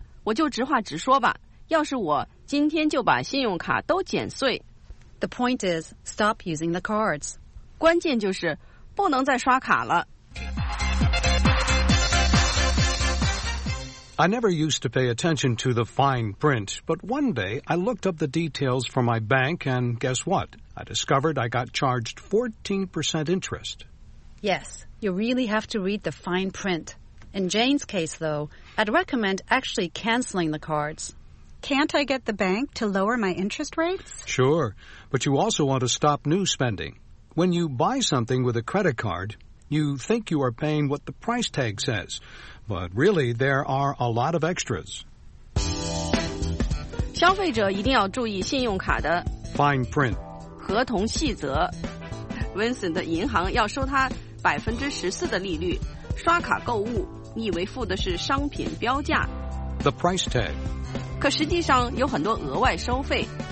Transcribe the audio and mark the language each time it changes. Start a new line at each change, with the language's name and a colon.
Chinese: 我就直话直说吧，要是我今天就把信用卡都剪碎。
English: The point is, stop using the cards.
Chinese: 关键就是不能再刷卡了。
English: I never used to pay attention to the fine print, but one day I looked up the details for my bank, and guess what? I discovered I got charged 14% interest. Yes, you really have to read the fine print. In Jane's case, though, I'd recommend actually canceling the cards. Can't I get the bank to lower my interest rates? Sure, but you also want to stop new spending. When you buy something with a credit card... You think you are paying what the price tag says, but really there are a lot of extras.
Chinese: 消费者一定要注意信用卡的
English: fine print
Chinese: 合同细则。Vincent 的银行要收他14%的利率。刷卡购物，你以为付的是商品标价
English: ？The price tag.
Chinese: 可实际上有很多额外收费。